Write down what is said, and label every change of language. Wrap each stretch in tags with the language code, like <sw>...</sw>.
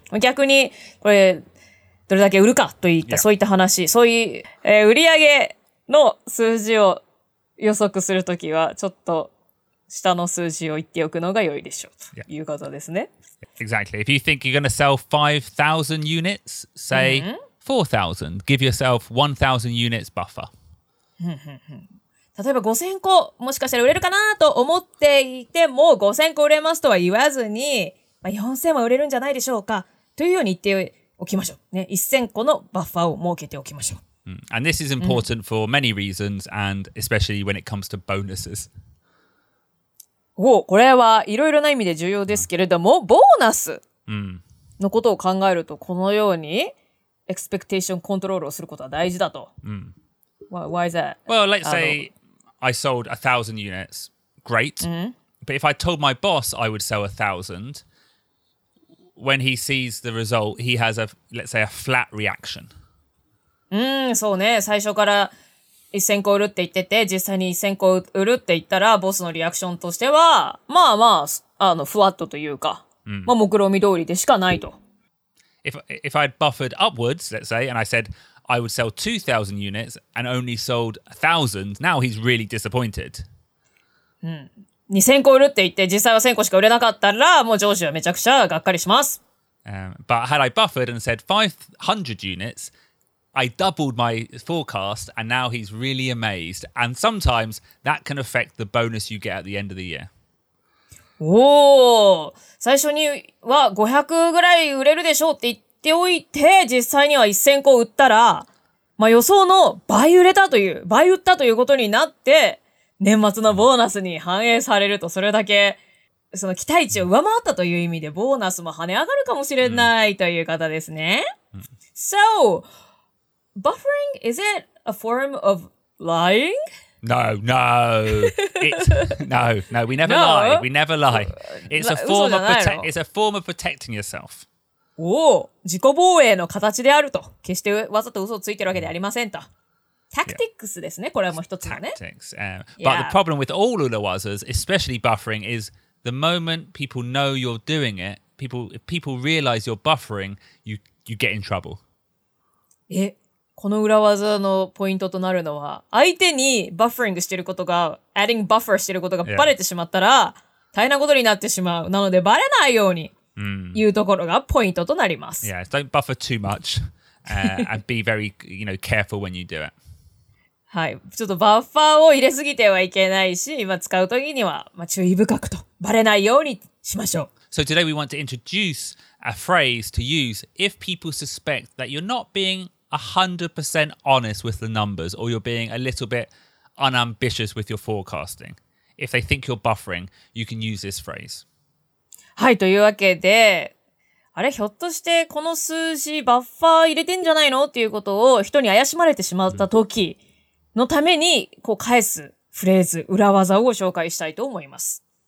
<en>yeah.</en> <ja>逆に、これ、どれだけ売るかといった、</ja> <en>yeah.</en> <ja>そういった話、そういう、売上の数字を予測するときは、ちょっと下の数字を言っておくのが良いでしょうということですね。</ja> <en>Yeah. Exactly. If you think you're going to sell 5,000 units, say 4,000. Give yourself 1,000 units buffer.</en> <ja>例えば5000個もしかしたら売れるかなと思っていても5000個売れますとは言わずに、まあ、4000は売れるんじゃないでしょうかというように言っておきましょう、ね、1000個のバッファーを設けておきましょう。</ja> <en>And this is important for many reasons, and especially when it comes to bonuses.</en> <ja>おお、これはいろいろな意味で重要ですけれども、ボーナスのことを考えると、このようにエクスペクテーションコントロールをすることは大事だと。</ja> <en>Why is that? Well, let's say I sold 1,000 units. Great. But if I told my boss I would sell 1,000, when he sees the result, he has a, let's say, a flat reaction.</en> <ja>そうね、最初から1000個売るって言ってて、実際に1000個売るって言ったら、ボスのリアクションとしては、まあまあ、ふわっとというか、まあ、目論見通りでしかないと。</ja> <en>If I had buffered upwards, let's say, and I said I would sell 2,000 units and only sold 1,000, now he's really disappointed.</en> <ja>2,000 個売るって言って、実際は1,000個しか売れなかったら、もう上司はめちゃくちゃがっかりします。</ja> <en>But had I buffered and said 500 units,I doubled my forecast and now he's really amazed. And sometimes that can affect the bonus you get at the end of the year.</en> <ja>Oh, 最初には500ぐらい売れるでしょうって言っておいて、実際には1000個売ったら、まあ予想の倍売れたという、倍売ったということになって、年末のボーナスに反映されると、それだけその期待値を上回ったという意味でボーナスも跳ね上がるかもしれないという方ですね。</ja> <en>So,Buffering, is it a form of lying? No, we never lie. We never lie. It's a form of protecting yourself.</en> <ja>Oh, 自己防衛の形であると。決してわざと嘘をついてるわけではありませんと。 Tactics ですね、これはもう一つのね。</ja> <en>Tactics. But the problem with all Uruwazas, especially buffering, is the moment people know you're doing it, if people realize you're buffering, you get in trouble.</en> <ja>この裏技のポイントとなるのは、相手にバッファリングしてることが、</ja> <en>adding buffer</en> <ja>してることがバレてしまったら、大変なことになってしまう。なので、バレないようにいうところがポイントとなります。</ja> <en>Yeah, don't buffer too much, and be very, you know, careful when you do it.</en> <ja>はい。ちょっとバッファーを入れすぎてはいけないし、今使うときには、まあ、注意深くと、バレないようにしましょう。</ja> <en>So today we want to introduce a phrase to use if people suspect that you're not being 100% honest with the numbers, or you're being a little bit unambitious with your forecasting. If they think you're buffering, you can use this phrase.</en> <ja>はい、というわけで、あれ、ひょっとしてこの数字バッファー入れてんじゃないのっていうことを人に怪しまれてしまった時のためにこう返すフレーズ、裏技をご紹介したいと思います。</ja>